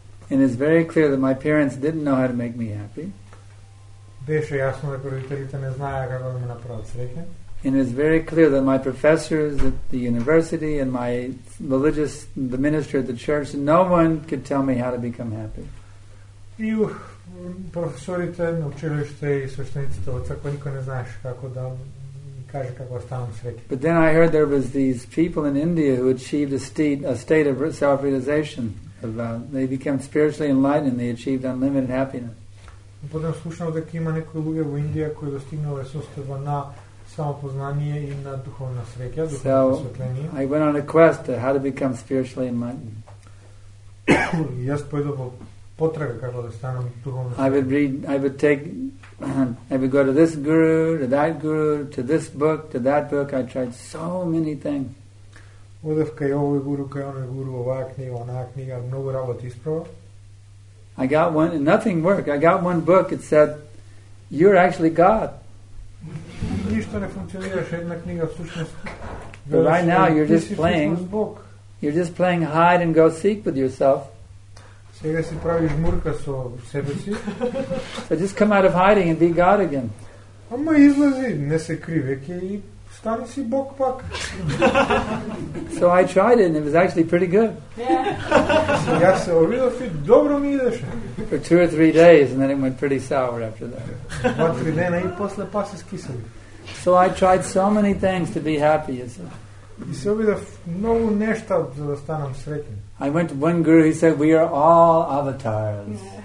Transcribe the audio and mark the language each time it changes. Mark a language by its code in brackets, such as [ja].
[en] it's very clear that my parents didn't know how to make me happy. [mk] Беше јасно дека родителите не знаеа како да ме направат среќен. [en] And it's very clear that my professors at the university and my religious, the minister at the church, no one could tell me how to become happy. [mk] И професорите на училиште и свештениците во црква никој не знаеше како да ми каже како да станам среќен. [en] But then I heard there was these people in India who achieved a state of self-realization. They became spiritually enlightened. They achieved unlimited happiness. [mk] Потоа слушнав дека има некои луѓе во Индија кои достигнале состојба на самопознание и на духовна среќа, духовно осветление. [en] I went on a quest to how to become spiritually enlightened. [mk] Јас појдов во потрага како да станам духовно. [en] I would go to this guru, to that guru, to this book, to that book. I tried so many things. [mk] Одев кај овој гуру, кај овој гуру, оваа книга, онаа книга, многу работи испробав. [en] I got one, and nothing worked. I got one book, it said, you're actually God. But right now, you're just playing hide and go seek with yourself. [mk] Сега си прави жмурка со себе си. [en] So just come out of hiding and be God again. [mk] Ама излази, не се кривеки и стани си Бог пак. [en] So I tried it and it was actually pretty good. Yeah. [mk] Јас се обидов и добро ми идеше. [en] For two or three days and then it went pretty sour after that. [mk] Два три дена и после па се скисали. [en] So I tried so many things to be happy, you see. [mk] И се обидов многу нешта за да станам среќен. [en] I went to one guru, he said, we are all avatars.